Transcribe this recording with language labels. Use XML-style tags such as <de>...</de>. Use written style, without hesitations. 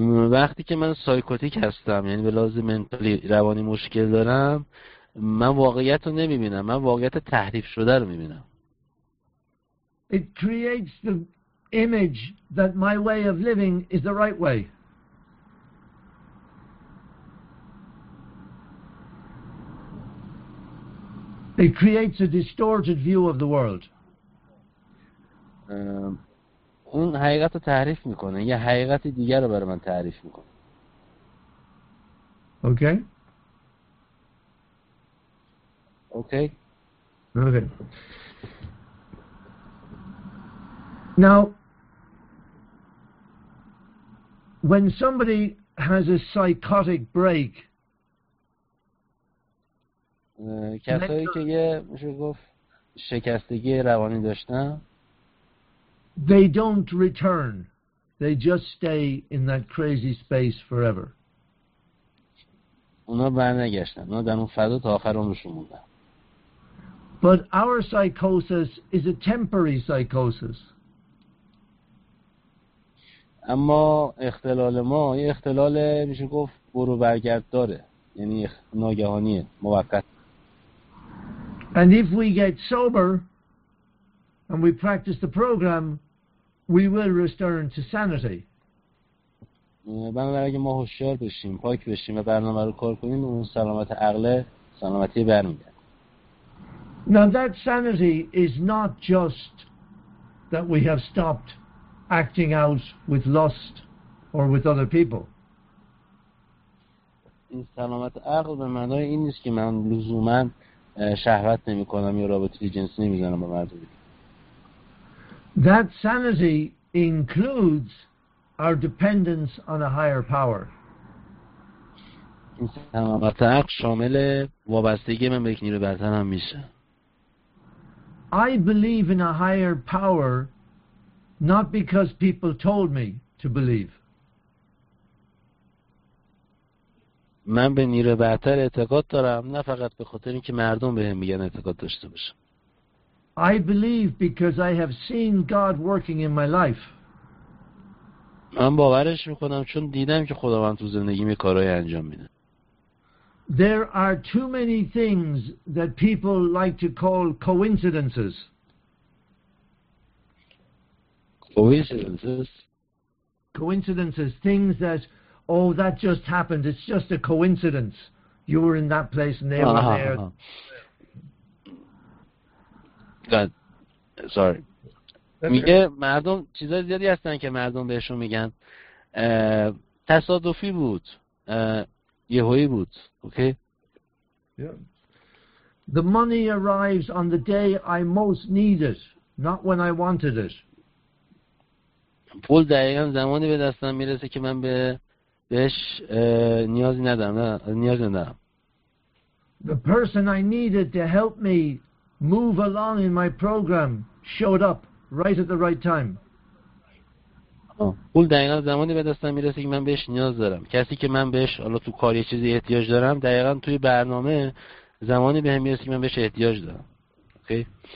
<fa>وقتی که من سایکوتیک هستم، یعنی به لحاظ منتالی روانی مشکل دارم، من واقعیت رو نمیبینم، من واقعیت تحریف شده رو میبینم.</fa> <en>It creates the image that my way of living is the right way. It creates a distorted view of the world.</en> <fa>اون حقیقت رو تعریف میکنه، یه حقیقت دیگر رو برای من تعریف میکنه.</fa> <en>Okay. Okay. Okay. Now, when somebody has a psychotic break,</en> <fa>کسایی که یه میشه گفت شکستگی روانی داشتن،</fa> <en>they don't return. They just stay in that crazy space forever.</en> <fa>اونا برنگشتن. اونا در اون فضا تا آخر عمرشون موندن.</fa> <en>But our psychosis is a temporary psychosis.</en> <fa>اما اختلال ما یه اختلال میشه گفت برو برگرد داره. یعنی ناگهانیه، موقت.</fa> <en>And if we get sober and we practice the program, we will return to sanity.</en> <fa>بنابراین اگه ما هوشیار بشیم، پاک بشیم و برنامه رو کار کنیم، اون سلامت عقل سلامتی برمیگرده.</fa> <en>Now that sanity is not just that we have stopped acting out with lust or with other people.</en> <fa>این سلامت عقل به معنای این نیست که من لزوماً شهوت نمی کنم یا رابطه جنسی نمی کنم با مردم.</fa> <en>That sanity includes our dependence on a higher power.</en> <fa>سلامت عقل شامل وابستگی من به یک نیروی برتر هم میشه.</fa> <en>I believe in a higher power not because people told me to believe.</en> <fa>من به نیروی برتر اعتقاد دارم نه فقط به خاطر اینکه مردم بهم میگن اعتقاد داشته باشم.</fa> <en>I believe because I have seen God working in my life.</en> <fa>من باورش میکنم چون دیدم که خداوند تو زندگی می کارهای انجام میده.</fa> <en>There are too many things that people like to call coincidences. Coincidences. Coincidences, things that, oh, that just happened. It's just a coincidence. You were in that place and they were there.</en> <fa>میگه مردم چیزای زیادی هستن که مردم بهشون میگن تصادفی بود، یهویی بود. اوکی.</fa> <en>The money arrives on the day I most need it, not when I wanted it.</en> <fa>پول دقیقاً زمانی به دستم میرسه که من بهش نیازی ندارم.</fa> <en>The person I needed to help me move along in my program showed up right at the right time.</en> <fa>اون دقیقاً زمانی به دستم میرسه که من بهش نیاز دارم. کسی که من بهش حالا تو کار یه چیزی احتیاج دارم، دقیقاً توی برنامه زمانی بهم میرسه که من بهش احتیاج دارم. اوکی.</fa>